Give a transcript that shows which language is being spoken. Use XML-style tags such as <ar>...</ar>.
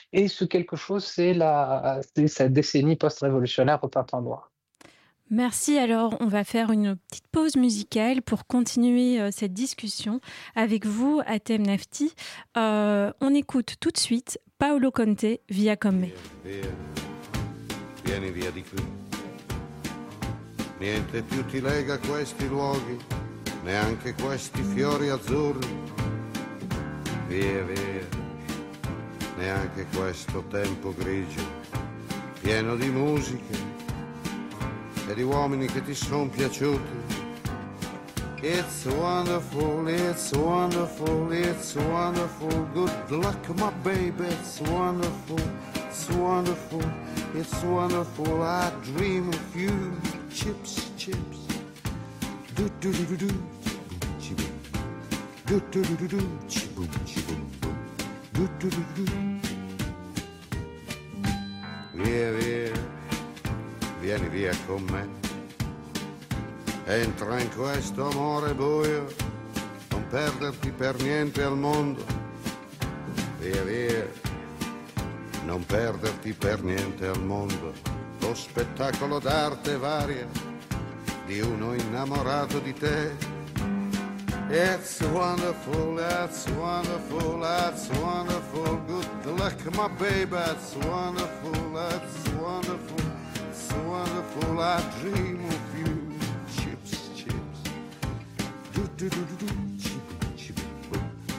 <fr>Et ce quelque chose, c'est cette décennie post-révolutionnaire au Printemps Noir. Merci. Alors, on va faire une petite pause musicale pour continuer cette discussion avec vous, Atem Nafti. On écoute tout de suite Paolo Conte, Via Comme.</fr> <it>Vieni via di qui. Niente più ti lega a questi luoghi, neanche questi fiori azzurri. Via, via, neanche questo tempo grigio, pieno di musiche e di uomini che ti sono piaciuti.</it> <en>It's wonderful, it's wonderful, it's wonderful. Good luck, my baby, it's wonderful, it's wonderful, it's wonderful. I dream of you. Chips, chips, do do do do do, chibum chibum, do do do do do, chibum chibum, do do do do do.</en> <it>Via via, vieni via con me. Entra in questo amore buio, non perderti per niente al mondo. Via via, non perderti per niente al mondo. Lo spettacolo d'arte varia di uno innamorato di te.</it> <en>It's wonderful, that's wonderful, that's wonderful. Good luck, my baby. It's wonderful, that's wonderful, it's wonderful. I dream of you. Chips, chips. Do do do do do, chip, chip, boom.</en>